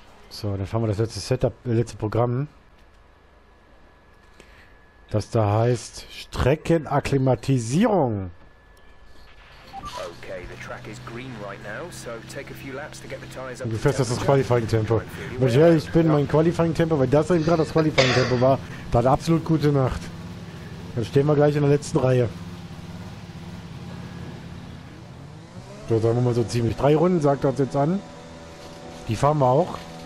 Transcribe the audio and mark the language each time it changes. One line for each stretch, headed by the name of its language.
German: So, dann fahren wir das letzte Setup, letzte Programm. Das da heißt Streckenakklimatisierung.
English: Okay, the track is green right now, so take a few laps to get the tires up.
German: Du fährst das Qualifying Tempo. Ich bin mein Qualifying Tempo, weil das eben gerade das Qualifying Tempo war. Da hat absolut gute Nacht. Dann stehen wir gleich in der letzten Reihe. So, sagen wir mal so ziemlich drei Runden, sagt er uns jetzt an. Die fahren wir auch.